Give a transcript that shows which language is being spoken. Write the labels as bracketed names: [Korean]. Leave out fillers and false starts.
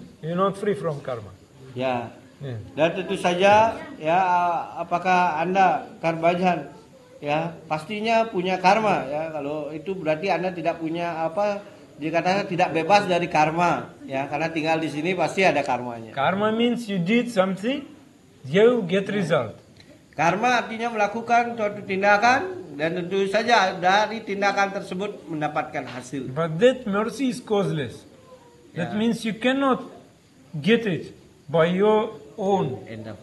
[English] You're not free from karma. Ya. Yeah. [Indonesian] Dan tentu saja ya apakah Anda Karabhajan ya pastinya punya karma ya, kalau itu berarti Anda tidak punya apa dikatakan tidak bebas dari karma ya, karena tinggal di sini pasti ada karmanya. [English] Karma means you did something, you get result. [Indonesian] Karma artinya melakukan suatu tindakan dan tentu saja dari tindakan tersebut mendapatkan hasil. [English] But that mercy is causeless. That yeah. means you cannot get it by your own endeavor.